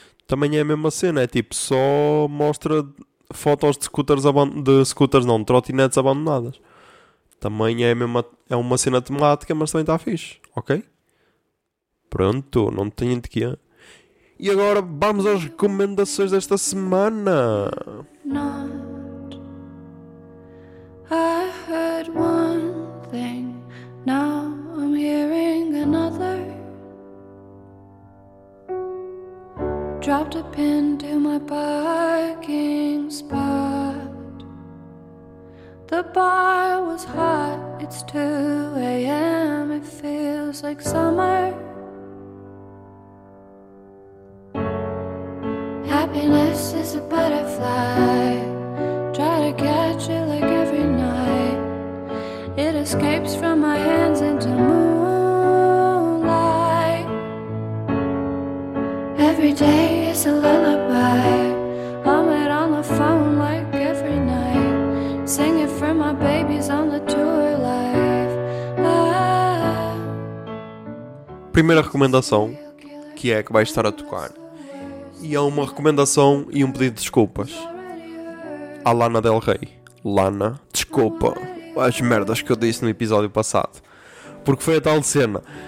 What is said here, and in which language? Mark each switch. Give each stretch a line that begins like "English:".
Portuguese: Também é a mesma cena, é tipo, só mostra fotos de scooters, de trotinetes abandonadas. Também é, mesmo é uma cena temática, mas também está fixe, ok? Pronto, não tenho de quê. E agora vamos às recomendações desta semana.
English: Not. I heard one thing, now I'm hearing another. Dropped a pin to my parking spot. The bar was hot, it's 2 a.m. It feels like summer. Happiness is a butterfly. Try to catch it like every night. It escapes from my hands into moonlight. Every day is a lullaby. I'm out on the phone like every night. Singing for my babies on the tour life. Ah.
Portuguese: Primeira recomendação, que é que vai estar a tocar. E há uma recomendação e um pedido de desculpas. A Lana Del Rey. Lana, desculpa as merdas que eu disse no episódio passado. Porque foi a tal cena.